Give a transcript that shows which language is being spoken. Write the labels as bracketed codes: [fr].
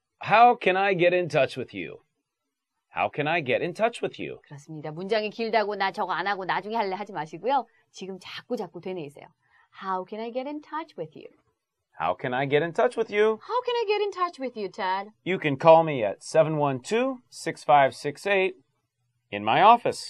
[en] How can I get in touch with you? How can I get in touch with you? [ko] 그렇습니다. 문장이 길다고 나 저거 안 하고 나중에 할래 하지 마시고요. 지금 자꾸 되뇌이세요. [en] How can I get in touch with you? How can I get in touch with you? How can I get in touch with you, Tad? You can call me at 712-6568 in my office.